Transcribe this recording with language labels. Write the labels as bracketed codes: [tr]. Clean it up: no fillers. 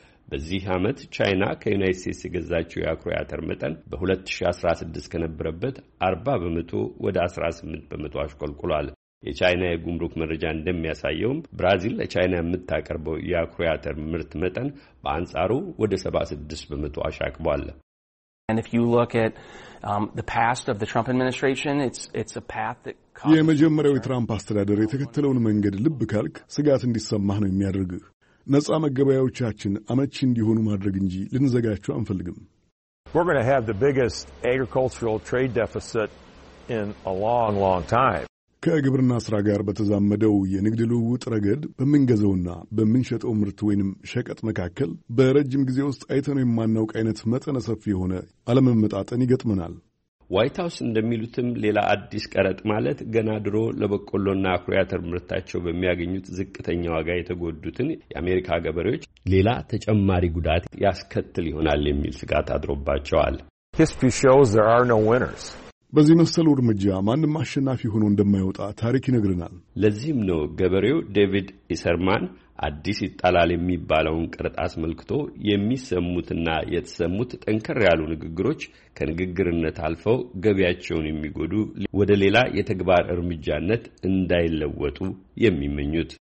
[am] በዚህ ዓመት ቻይና ከዩናይትድ ስቴትስ የገዛችው የአኩሪ አተር መጠን በ2016 ከነበረበት 40% ወደ 18% አሽቆልቁሏል። የቻይና የጉምሩክ መረጃ እንደሚያሳየውም ብራዚል ለቻይና የምታቀርበው የአኩሪ አተር ምርት መጠን በአንጻሩ ወደ 76% አሻቅቧል። [en] And if you look at the past of the Trump administration, it's a path that comes [am] የመጀመሪያው የትራምፕ አስተዳደር የተከተለውን መንገድ ልብ ካልክ ስጋት እንዲሰማህ ነው የሚያደርግ። ነጻ መገበያዎቻችን አመቺ እንዲሆኑ ማድረግ እንጂ ልንዘጋቸው አንፈልግም። [en] We're going to have the biggest agricultural trade deficit in a long, long time. [am] ከግብርና ስራ ጋር በተዛመደው የንግድ ልውውጥ ረገድ በመንገዘውና በመንሸጠው ምርት ወይንም ሸቀጥ መካከል በረጅም ጊዜ ውስጥ አይተነው የማናውቅ አይነት መጠነ ሰፊ የሆነ አለመመጣጠን ይገጥመናል። ዋይት ሃውስ እንደሚሉትም ሌላ አዲስ ቀረጥ ማለት ገና ድሮ ለበቆሎና አኩሪ አተር ምርታቸው በሚያገኙት ዝቅተኛ ዋጋ የተጎዱትን የአሜሪካ ገበሬዎች ሌላ ተጨማሪ ጉዳት ያስከትል ይሆናል የሚል ስጋት አድሮባቸዋል። [en] History shows there are no winners. [am] በዚህ መሰል ውድመጃ ማንም አሸናፊ ሆኖ እንደማይወጣ ታሪክ ይነግረናል። ለዚህም ነው ገበሬው ዴቪድ ኢሰርማን አዲስ ይጣላል የሚባለውን ቀረጥ አስመልክቶ የሚሰሙትና የተሰሙት ጠንከር ያሉ ንግግሮች ከንግግርነት አልፈው ገበያቸውን የሚጎዱ ወደ ሌላ የተግባር እርምጃነት እንዳይለወጡ የሚመኙት።